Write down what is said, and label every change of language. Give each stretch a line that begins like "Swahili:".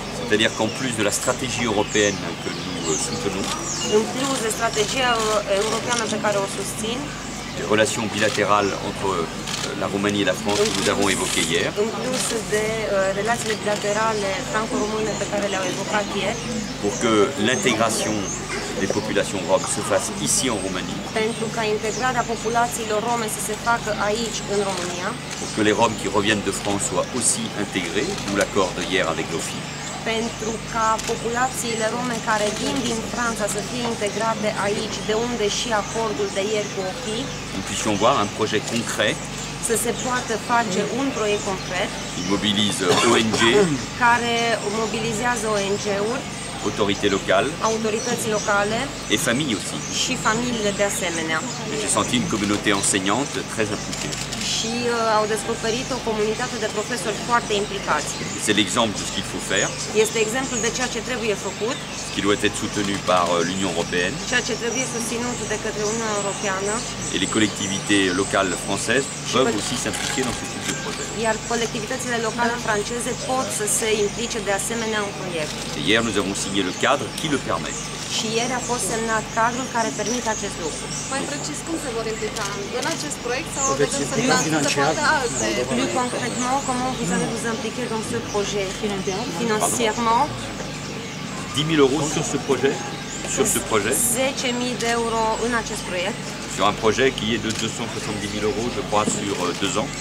French: C'est-à-dire qu'en plus de la stratégie européenne que nous soutenons, des relations bilatérales entre la Roumanie et la France que nous avons évoquées hier, pour que l'intégration des populations roms se fassent ici en Roumanie.
Romanian: Pentru ca integrarea populațiilor rome să se facă aici în România.
French: Pour que les Roms qui reviennent de France soient aussi intégrés, d'où l'accord de hier avec l'OFI.
Romanian: Pentru ca populațiile rome care vin din Franța să fie integrate aici, de unde și acordul de ieri cu OFI.
French: Nous puissions voir un projet concret.
Romanian: Să se poată face un proiect concret.
French: Qui mobilise ONG.
Romanian: Care mobilizează ONG-uri.
French: Autorités locales, autorités locales et familles aussi.
Romanian: Și familiile de asemenea.
French: J'ai senti une communauté enseignante très impliquée.
Romanian: Și au descoperit o comunitate de profesori foarte implicați.
French: C'est l'exemple de ce qu'il faut faire.
Romanian: Este exemplul de ceea ce trebuie făcut.
French: Qui doit être soutenu par l'Union européenne.
Romanian: Ceea ce trebuie susținut de către Uniunea Europeană.
French: Et les collectivités locales françaises peuvent aussi s'impliquer dans ce type de projet.
Romanian: Iar colectivitățile locale franceze pot să se implice de asemenea în proiect.
French: Hier nous avons signé le cadre qui le permet.
Romanian: Și ieri a fost semnat cadrul care permite acest lucru. Mai precis, cum se vor implica în acest proiect sau vedem să finanțe alte?
French: Plus concrètement, comment vous allez vous impliquer dans ce projet financièrement? 10.000 euros sur ce projet. Sur ce projet.
Romanian: 10.000 d'euros în acest proiect.
French: Sur un projet qui est de 270 000 euros, je crois, sur deux ans.